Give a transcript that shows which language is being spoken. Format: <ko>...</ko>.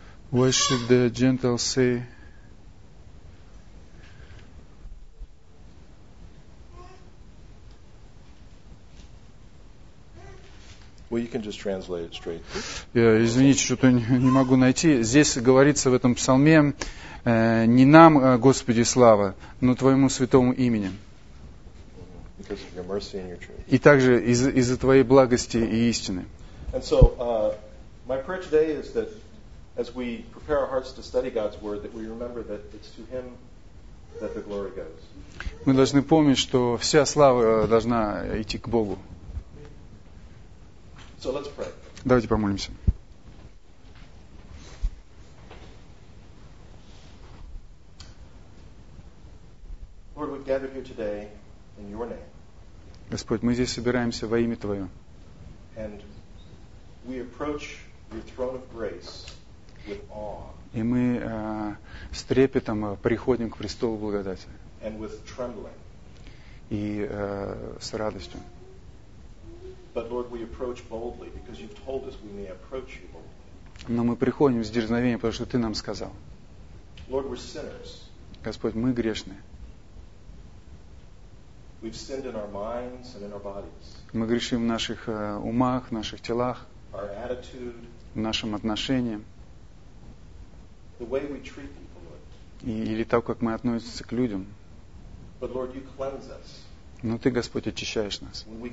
<en>Why should the Gentile say? Well, you can just translate it straight.</en> <ru>Yeah, извините, что-то не могу найти. Здесь говорится в этом псалме не нам, Господи, слава, но Твоему святому имени.</ru> <en>Because of your mercy and your truth.</en> <ru>И также из-за Твоей благости и истины.</ru> <en>And so, my prayer today is that as we prepare our hearts to study God's word, that we remember that it's to Him that the glory goes.</en> <ru>Мы должны помнить, что вся слава должна идти к Богу.</ru> <en>So let's pray.</en> <ru>Давайте помолимся.</ru> <en>Lord, we gather here today in Your name.</en> <ru>Господь, мы здесь собираемся во имя Твое.</ru> <en>And we approach Your throne of grace.</en> <ru>И мы с трепетом приходим к престолу благодати.</ru> <en>And with trembling.</en> <ru>И с радостью.</ru> <en>But Lord, we approach boldly because you've told us we may approach you boldly.</en> <ru>Но мы приходим с дерзновением, потому что ты нам сказал.</ru> <en>Lord, we're sinners.</en> <ru>Господь, мы грешны.</ru> <en>We've sinned in our minds and in our bodies.</en> <ru>Мы грешим в наших умах, в наших телах,</ru> <en>our attitude,</en> <ru>в нашем отношении.</ru> <en>The way we treat people, Lord.</en> <ru>Или то, как мы относимся к людям.</ru> <en>But Lord, you cleanse us.</en> <ru>Но Ты, Господь, очищаешь нас.</ru>